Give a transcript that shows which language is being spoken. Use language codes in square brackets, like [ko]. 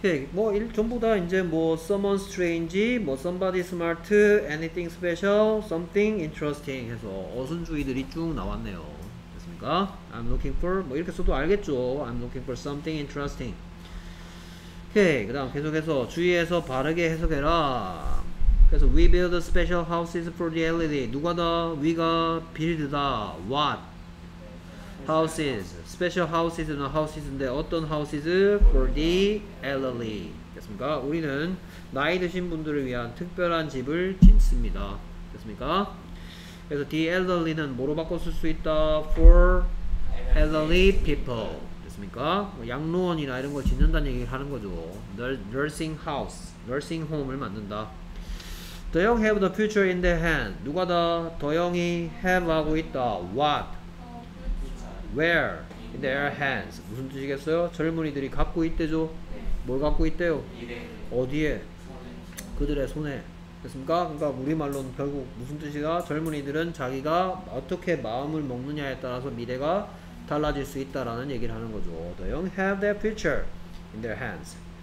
[ko] 뭐 일 전부 다 이제 뭐 [en] someone strange, [ko] 뭐 [en] somebody smart, anything special, something interesting [ko] 해서 어순주의들이 쭉 나왔네요. 됐습니까? [en] I'm looking for [ko] 뭐 이렇게 써도 알겠죠. [en] I'm looking for something interesting. [ko] 오케이. 그다음 계속해서 주의해서 바르게 해석해라. 그래서 [en] we build special houses for the elderly. [ko] 누가 다 [en] we가 build다. What? Houses, special houses는 houses인데 [ko] 어떤 [en] houses? For the elderly. [ko] 됐습니까? 우리는 나이 드신 분들을 위한 특별한 집을 짓습니다. 됐습니까? 그래서 the elderly는 뭐로 바꿔 쓸 수 있다? [en] For elderly people. [ko] 됐습니까? 양로원이나 이런 거 짓는다는 얘기를 하는 거죠. [en] Nursing house, nursing home을 [ko] 만든다. [en] The young have the future in their hand. [ko] 누가 다? [en] The young이 have [ko] 하고 있다. [en] What? Where? In their hands. [ko] 무슨 뜻이겠어요? 젊은이들이 갖고 있대죠? 네. 뭘 갖고 있대요? 미래. 어디에? 그들의 손에. 됐습니까? 그러니까 우리말로는 결국 무슨 뜻이다? 젊은이들은 자기가 어떻게 마음을 먹느냐에 따라서 미래가 달라질 수 있다라는 얘기를 하는 거죠. [en] The young have their future in their hands.